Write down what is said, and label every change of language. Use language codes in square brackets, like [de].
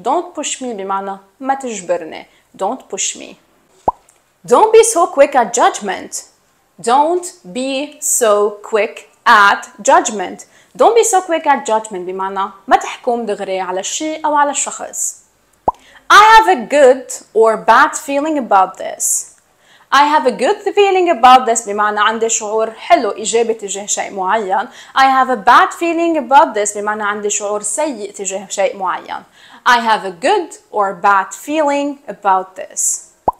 [en] Don't push me [ar] بمعنى ما تجبرني. [en] Don't push me. Don't be so quick at judgment. Don't be so quick at judgment. Don't be so quick at judgment [ar] بمعنى ما تحكم دغري على الشيء أو على الشخص. [en] I have a good or bad feeling about this. I have a good feeling about this [ar] بمعنى عندي شعور حلو إيجابي تجاه شيء معين. [en] I have a bad feeling about this [ar] بمعنى عندي شعور سيء تجاه شيء معين. [en] I have a good or bad feeling about this.